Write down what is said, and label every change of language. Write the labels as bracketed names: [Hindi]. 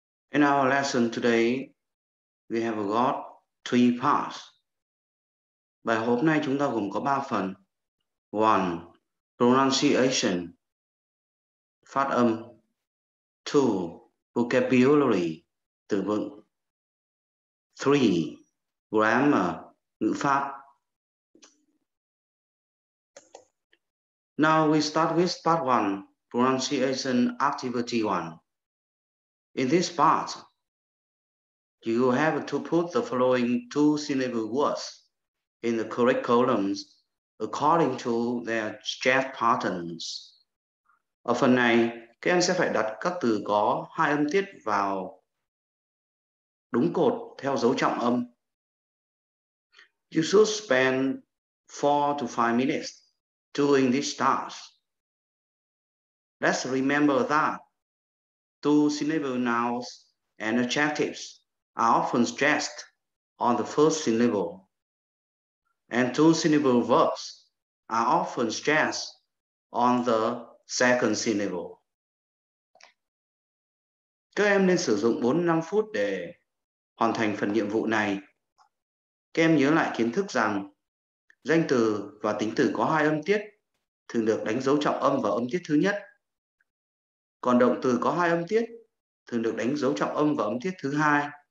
[English] In our lesson today, we have got three parts. [Vietnamese] Bài hôm nay chúng ta gồm có 3 phần. 1. Pronunciation. Phát âm. 2. Vocabulary, từ vựng. 3. Grammar, ngữ pháp. [English] Now we start with part 1, pronunciation activity 1. In this part, you have to put the following two syllable words in the correct columns according to their stress patterns. [Vietnamese] Ở phần này, các em sẽ phải đặt các từ có hai âm tiết vào đúng cột theo dấu trọng âm. [English] You should spend 4 to 5 minutes doing this task. Let's remember that two syllable nouns and adjectives are often stressed on the first syllable, and two syllable verbs are often stressed on the second syllable. [Vietnamese] Các em nên sử dụng 4-5 phút để hoàn thành phần nhiệm vụ này. Các em nhớ lại kiến thức rằng danh từ và tính từ có hai âm tiết thường được đánh dấu trọng âm vào âm tiết thứ nhất. Còn động từ có hai âm tiết thường được đánh dấu trọng âm vào âm tiết thứ hai.